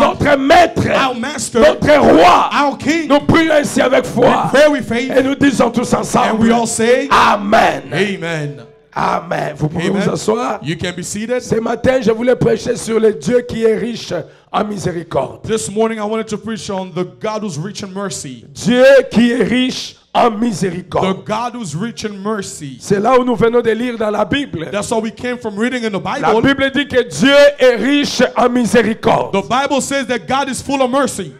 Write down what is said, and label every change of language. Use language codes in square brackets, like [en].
[fr] notre Maître, [en] our Master, [fr] notre Roi, [en] our King, [fr] nous prions ainsi avec foi, [en] we pray with faith, [fr] et nous disons tous ensemble, [en] and we all say, Amen. Amen. [fr] Amen. Vous pouvez Amen. Vous asseoir. [en] You can be seated. [fr] Ce matin, je voulais prêcher sur le Dieu qui est riche en miséricorde. [en] This morning, I wanted to preach on the God who's rich in mercy. [fr] Dieu qui est riche en miséricorde. [en] The God who's rich in mercy. [fr] C'est là où nous venons de lire dans la Bible. [en] That's what we came from reading in the Bible. [fr] La Bible dit que Dieu est riche en miséricorde. [en] The Bible says that God is full of mercy.